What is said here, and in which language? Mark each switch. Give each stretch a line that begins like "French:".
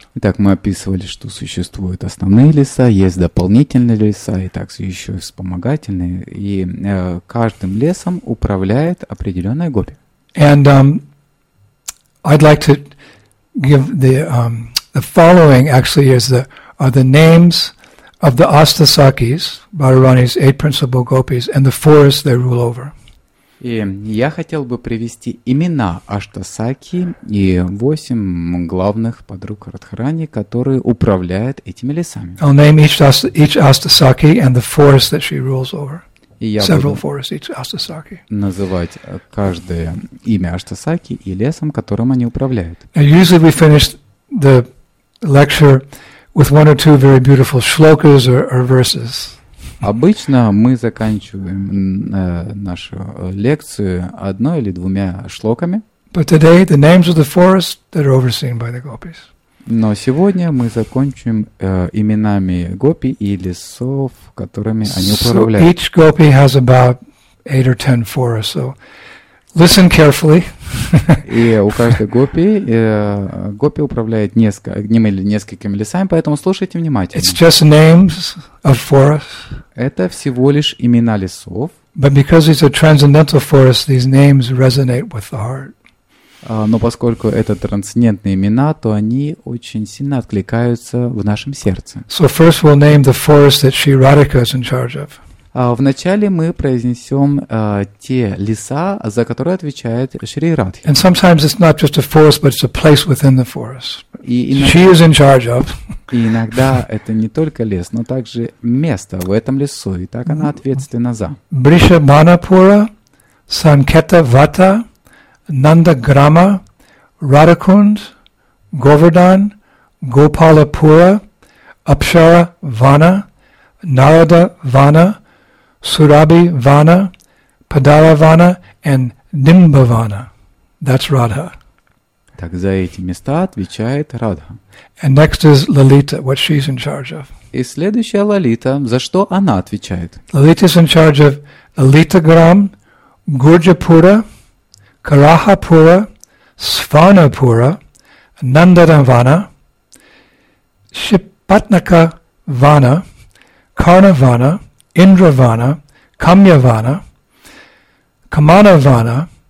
Russian: Итак, мы описывали, что существуют основные леса, есть дополнительные леса, и так еще и вспомогательные. И каждым лесом управляет определенная гопи.
English: And I'd like to give the following actually is the names of the Astasakis, Bharani's eight principal gopis, and the forests they rule over.
Russian: И я хотел бы привести имена Аштасаки и восемь главных подруг Радхарани, которые управляют этими лесами.
English: I'll name each Astasaki and the forest that she rules over. Several forests each Astasaki.
Russian: Называть каждое имя Аштасаки и лесом, которым они управляют.
English: Now usually we finish the lecture with one or two very beautiful shlokas or verses.
Russian: Обычно мы заканчиваем нашу лекцию одной или двумя шлоками.
English: But today the names of the forests that are overseen by the gopis.
Russian: Но сегодня мы закончим именами гопи и лесов, которыми они управляют.
English: So each gopi has about 8 or 10 forests. So listen carefully.
Russian: И у каждой гопи управляет несколькими лесами, поэтому слушайте внимательно.
English: It's just names of forests.
Russian: Это всего лишь имена лесов.
English: But because it's a transcendental forest, these names resonate with the heart.
Russian: Но поскольку это трансцендентные имена, то они очень сильно откликаются в нашем сердце.
English: So first we'll name the forest that Sri Radhika is in charge of.
Russian: Вначале мы произнесем те леса, за которые отвечает Шри Радхи.
English: And sometimes it's not just a forest, but it's a place within the forest. She is in charge of.
Russian: И иногда это не только лес, но также место в этом лесу, и так она ответственна за.
English: Бриша Манапура, Санкета Вата, Нанда Грама, Радакунд, Говардан, Гопалапура, Апшара Вана, Нарада Вана, Surabhi Vana, Padara Vana, and Nimba Vana. That's Radha.
Russian: Так за эти места отвечает Радха.
English: And next is Lalita, what she's in charge of.
Russian: И следующая Лалита, за что она отвечает?
English: Lalita is in charge of Lalitagram, Gurjapura, Karahapura, Svanapura, Nandanavana, Shipatnaka Vana, Karnavana, Indravana, Kamyavana, Kamanavana,